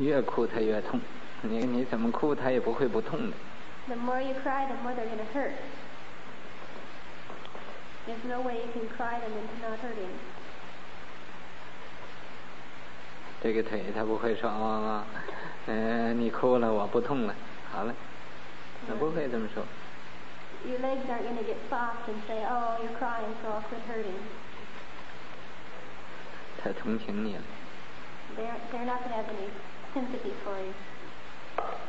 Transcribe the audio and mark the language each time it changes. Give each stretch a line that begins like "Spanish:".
Chinese: 越哭他越痛，你怎么哭他也不会不痛的。
English: The more you cry, the more they're going to hurt. There's no way you can cry them into not hurting.
Chinese: 这个腿他不会说啊、你哭了我不痛了好了他不会这么说
English: Your legs aren't going to get soft and say oh you're crying so I'll quit hurting
Chinese: 他同情你了
English: They're not going to have any sympathy for you